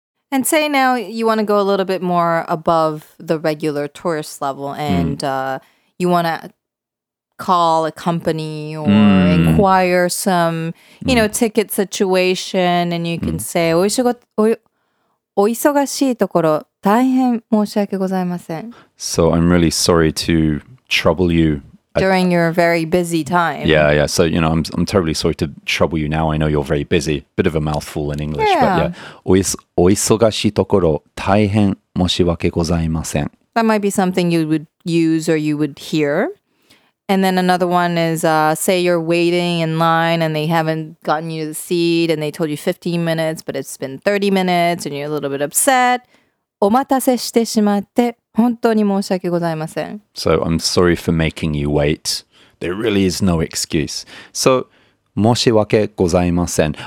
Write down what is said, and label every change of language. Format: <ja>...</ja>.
<en>And say now you want to go a little bit more above the regular tourist level and you want to call a company or inquire some, you know, ticket situation and you can say,</en> <ja>お忙しいところ大変申し訳ございません.</ja> <en>So I'm really sorry to trouble you during your very busy time. Yeah. So you know, I'm terribly sorry to trouble you now. I know you're very busy. Bit of a mouthful in English, but yeah.</en> <ja>お忙しいところ大変申し訳ございません.</ja> <en>That might be something you would use or you would hear. And then another one is say you're waiting in line and they haven't gotten you to the seat and they told you 15 minutes, but it's been 30 minutes and you're a little bit upset.</en> <ja>お待たせしてしまって 本当に申し訳ございません.</ja> <en>So I'm sorry for making you wait. There really is no excuse. So</en> <ja>申し訳ございません.</ja>